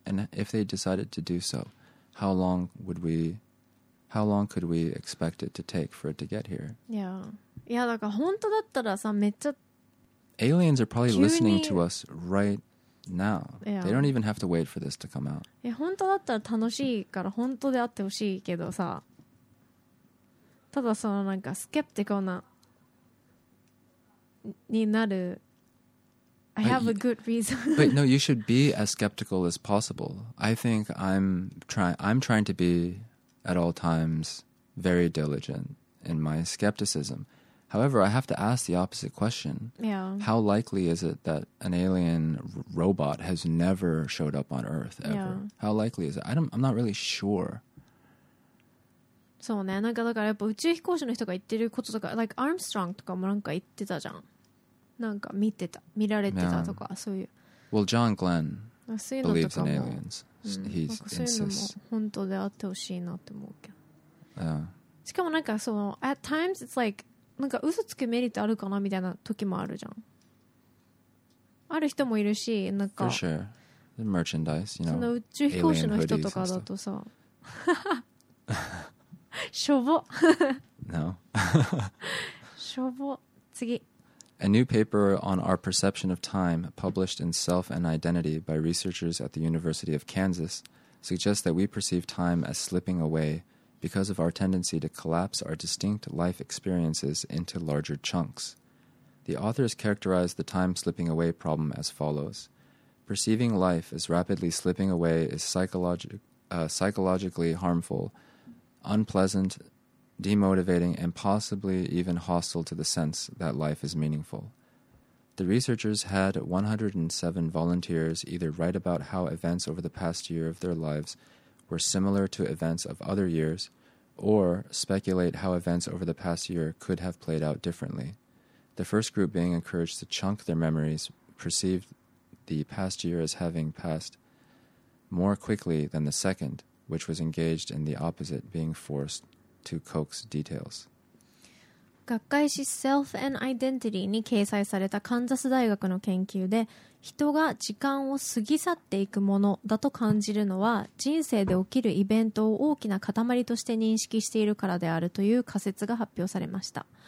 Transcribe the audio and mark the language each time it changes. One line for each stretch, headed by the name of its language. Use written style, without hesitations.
English: And if they decided to do so, how long could we expect it to take for it to get here? Yeah. Yeah, like,
Japanese: 本当だったらさ、めっちゃ
English: aliens are probably listening to us right now. Yeah. They don't even have to wait for this to come out.
Japanese: え、本当だったら楽しいから本当であってほしいけどさ。ただそのなんかスケプティカルなになる。
English: I have a good reason. But no, you should be as skeptical as possible. I think I'm trying to be at all times very diligent in my skepticism. However, I have to ask the opposite question. Yeah. How likely is it that an alien robot has never showed up on Earth ever? Yeah. How likely is it? I'm not really sure.
Japanese: そうね。なんかだからやっぱ宇宙飛行士の人が言ってることとか、
English: like
Japanese: Armstrong とかもなんか言ってたじゃん。なんか見てた、見られてたとか、
English: yeah.
Japanese: そういう。
English: Well, John Glenn believes in aliens. He insists.
Japanese: そういうのも本当であってほしいなって思うけど。
English: Yeah.
Japanese: しかもなんかその
English: at times it's like
Japanese: なんか嘘つくメリットあるかなみたいな時もあるじゃん。ある人もいるし、なんか。
English: For sure. The merchandise, you know.
Japanese: その宇宙飛行士の人とかだとさ、しょぼ。
English: No.
Japanese: しょぼ。次。
English: A new paper on our perception of time, published in Self and Identity by researchers at the University of Kansas, suggests that we perceive time as slipping away because of our tendency to collapse our distinct life experiences into larger chunks. The authors characterize the time slipping away problem as follows. Perceiving life as rapidly slipping away is psychologically harmful, unpleasant, demotivating, and possibly even hostile to the sense that life is meaningful. The researchers had 107 volunteers either write about how events over the past year of their lives were similar to events of other years, or speculate how events over the past year could have played out differently. The first group being encouraged to chunk their memories perceived the past year as having passed more quickly than the second, which was engaged in the opposite, being forced to coax details.
Japanese: 学会誌 Self and Identity に掲載されたカンザス大学の研究で、人が時間を過ぎ去っていくものだと感じるのは、人生で起きるイベントを大きな塊として認識しているからであるという仮説が発表されました。